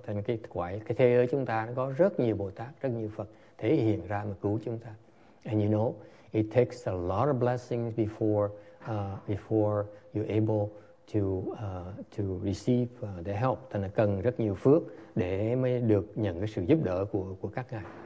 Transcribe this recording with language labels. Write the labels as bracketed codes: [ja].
[vi] Thành cái thế giới chúng ta nó có rất nhiều Bồ Tát, rất nhiều Phật thể hiện ra mà cứu chúng ta. [en] And you know, it takes a lot of blessings before you're able to receive the help. [vi] Thành cần rất nhiều phước để mới được nhận cái sự giúp đỡ của các ngài.